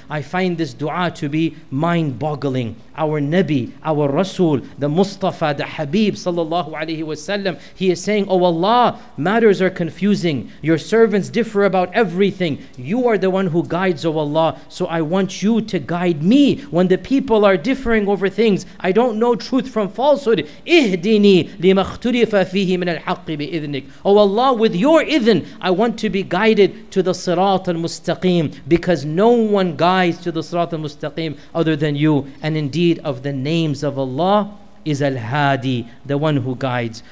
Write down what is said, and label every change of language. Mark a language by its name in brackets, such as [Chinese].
[English] I find this dua to be mind-boggling. Our Nabi, our Rasul, the Mustafa, the Habib sallallahu alayhi wa sallam, he is saying, O Allah, matters are confusing, your servants differ about everything, you are the one who guides, O Allah, so I want you to guide me when the people are differing over things, I don't know truth from falsehood. [Arabic] اهدني لما اختلف فيه من الحق بإذنك. [English] O Allah, with your idhn, I want to be guided to the sirat al-mustaqim, because no one guides to the sirat al-mustaqim other than you, and indeed of the names of Allah is Al-Hadi, the one who guides.